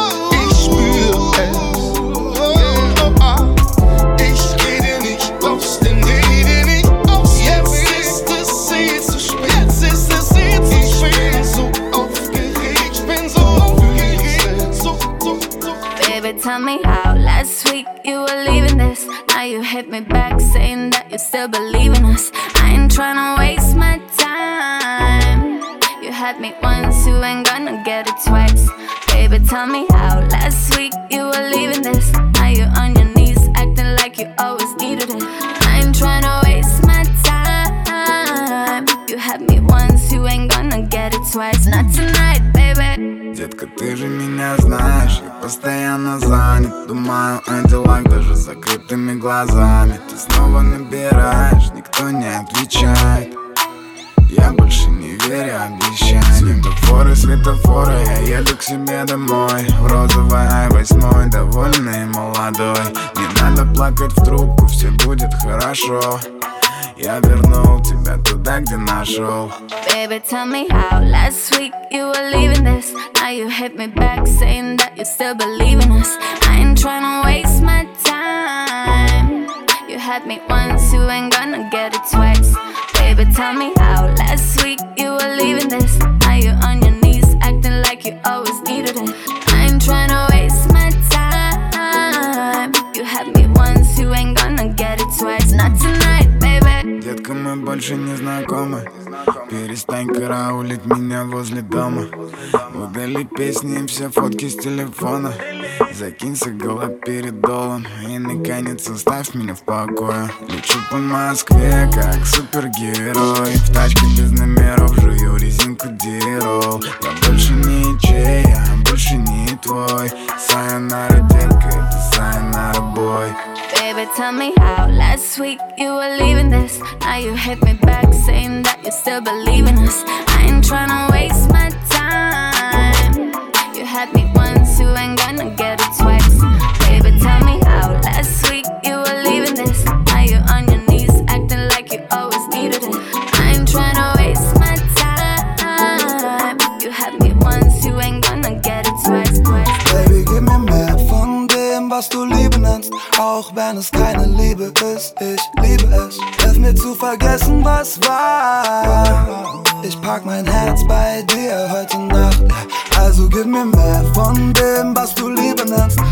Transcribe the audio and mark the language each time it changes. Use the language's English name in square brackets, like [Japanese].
[German] Ich spür es. Ich geh dir nicht aus, denn geh dir nicht aus. Jetzt ist es eh zu spät. Jetzt ist es eh zu spät. Ich bin so aufgeregt, ich bin so aufgeregt. So. [English] Baby, tell me how. Last week you were leaving this. Now you hit me back saying that you still believe in us. I ain't tryna waste my time. You had me once, you ain't gonna get it twice. Baby, tell me how. Last week you were leaving this. Now you on your knees acting like you always needed it. I ain't tryna waste my time. You had me once, you ain't gonna get it twice. Not tonight, baby. [Russian] Детка, ты же меня знаешь, я постоянно занят. Думаю о делах даже с закрытыми глазами. Ты снова набираешь, никто не отвечает. Я больше не верю обещаниям. Светофоры, светофоры, я еду к себе домой. В розовой i8, довольный молодой. Не надо плакать в трубку, все будет хорошо. Я вернул тебя туда, где нашел. [English] Baby, tell me how. Last week you were leaving this. Now you hit me back saying that you still believe in us. I ain't tryna waste my time. You had me once, you ain't gonna get it twice. Baby, tell me how. Last week you were leaving this. Now you on your knees acting like you always needed it. I ain't tryna waste my time. You had me once, you ain't gonna get it twice. Not tonight. [Russian] Детка, мы больше не знакомы. Перестань караулить меня возле дома. Удали песни и все фотки с телефона. Закинься галоперидолом и наконец оставь меня в покое. Лечу по Москве как супергерой. В тачке без номеров жую резинку D-Roll. Я больше не чей, я больше не твой. Sayonara, детка, это sayonara, boy. [English] Baby, tell me how. Last week you were leaving this. Now you hit me back saying that you still believe in us. I ain't tryna waste my time. You had me once, you ain't gonna get it twice. Baby, tell me how. Last week you were leaving this. Now you on your knees acting like you always needed it. I ain't tryna waste my time. You had me once, you ain't gonna get it twice. Baby, give me [German] mehr von dem, was du Liebe nennst. Auch wenn es keine Liebe ist, ich liebe es. Hilf mir zu vergessen, was war. Ich pack mein Herz bei dir heute Nacht. Also gib mir mehr von dem, was du Liebe nennst.